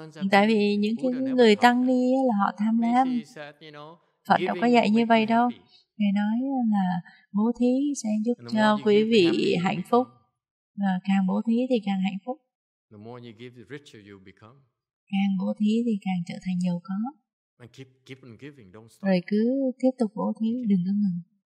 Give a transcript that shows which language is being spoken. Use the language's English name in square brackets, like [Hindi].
[Vietnamese] Tại vì những cái người tăng ni là họ tham lam. Phật đâu có dạy như vậy đâu. Ngài nói là bố thí sẽ giúp cho quý vị hạnh phúc. Và càng bố thí thì càng hạnh phúc. [English] The more you give, the richer you become. [Vietnamese] Càng bố thí thì càng trở thành giàu có. [English] And keep on giving, don't stop. [Vietnamese] Rồi cứ tiếp tục bố thí, đừng có ngừng.